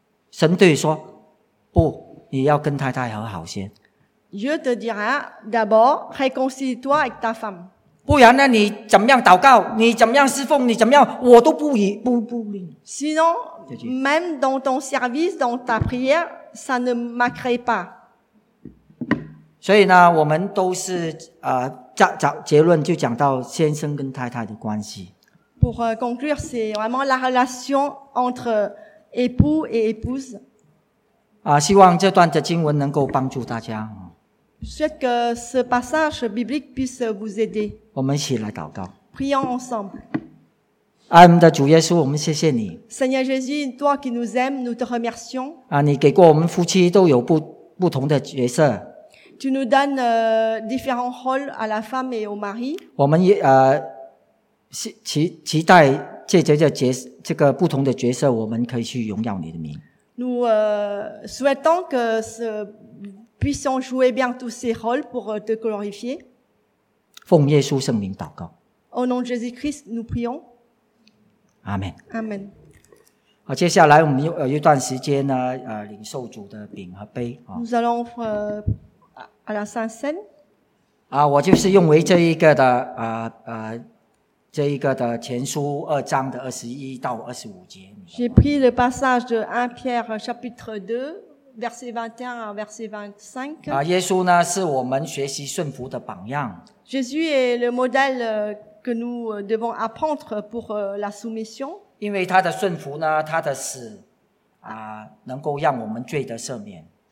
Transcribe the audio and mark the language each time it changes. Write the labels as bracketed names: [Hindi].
[Chinese] 神对说，不，你要跟太太和好先。 [French] Dieu te dira d'abord, réconcilie-toi avec ta femme. [Chinese] 不然呢你怎么样祷告你怎么样侍奉你怎么样我都不理不不理。 [French] Sinon, même dans ton service, dans ta prière, ça ne marquerait pas. [Chinese] 所以呢我们都是结论就讲到先生跟太太的关系。 [French] Pour conclure, c'est vraiment la relation entre époux et épouse. [Chinese] 希望这段的经文能够帮助大家。 [French] J'espère que ce passage biblique puisse vous aider. [Chinese] 我们一起来祷告。 [French] Prions ensemble. [Chinese] 爱我们的主耶稣，我们谢谢你。 [French] Seigneur Jésus, toi qui nous aimes, nous te remercions. [Chinese] 你给过我们夫妻都有不同的角色。 [French] Tu nous donnes différents rôles à la femme et au mari. [Chinese] 我们期待借着这个不同的角色，我们可以去荣耀你的名。 [French] Nous souhaitons que ce puissent jouer bien tous ces rôles pour te glorifier. [Chinese] 奉耶稣圣名祷告。 [French] Au nom de Jésus-Christ, nous prions. Amen. Amen. [Chinese] 好，接下来我们有一段时间呢，领受主的饼和杯。 [French] Nous allons à la Sainte Cène. [Chinese] 我就是用为这一个的这一个的前书二章的二十一到二十五节。 [French] J'ai pris le passage de 1 Pierre chapitre 2. Verset 21 à verset 25. [Chinese] 耶稣呢是我们学习顺服的榜样。 [French] Jésus est le modèle que nous devons apprendre pour la soumission. [Chinese] 因为他的顺服呢，他的死能够让我们罪得赦免。